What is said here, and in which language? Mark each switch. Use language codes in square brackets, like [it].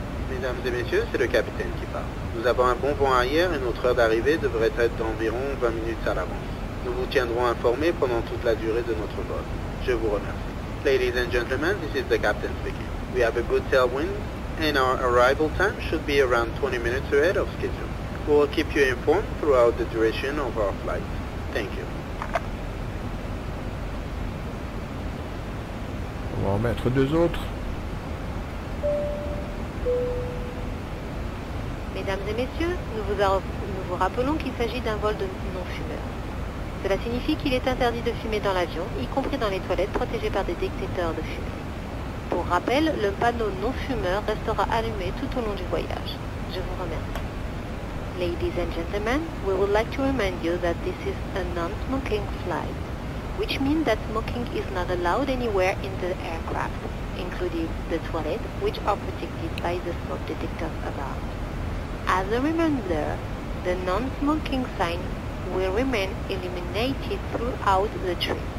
[fr] Mesdames et messieurs, c'est le capitaine qui parle. Nous avons un bon vent arrière et notre heure d'arrivée devrait être d'environ 20 minutes à l'avance. Nous vous tiendrons informés pendant toute la durée de notre vol. Je vous remercie. [en] Ladies and gentlemen, this is the captain speaking. We have a good tailwind and our arrival time should be around 20 minutes ahead of schedule. We will keep you informed throughout the duration of our flight. Thank you. [fr] On va en mettre deux autres. Mesdames et messieurs, nous vous rappelons qu'il s'agit d'un vol de non-fumeurs. Cela signifie qu'il est interdit de fumer dans l'avion, y compris dans les toilettes protégées par des détecteurs de fumée. Pour rappel, le panneau non-fumeur restera allumé tout au long du voyage. Je vous remercie. [en] Ladies and gentlemen, we would like to remind you that this is a non-smoking flight, which means that smoking is not allowed anywhere in the aircraft, including the toilets, which are protected by the smoke detectors above. As a reminder, the non-smoking sign will remain illuminated throughout the trip.